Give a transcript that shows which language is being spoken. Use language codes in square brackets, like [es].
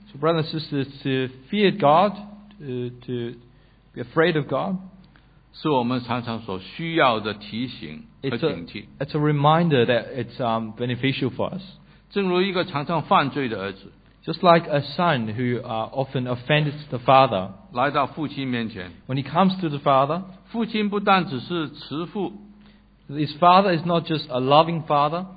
[en] so brothers and sisters, to fear God, to be afraid of God, [zh] 是我们常常所需要的提醒, [en] it's a reminder that it's beneficial for us. [zh] 正如一个常常犯罪的儿子, [en] just like a son who often offends the father, [zh] 来到父亲面前, [en] when he comes to the father, [zh] 父亲不但只是慈父, [en] his father is not just a loving father,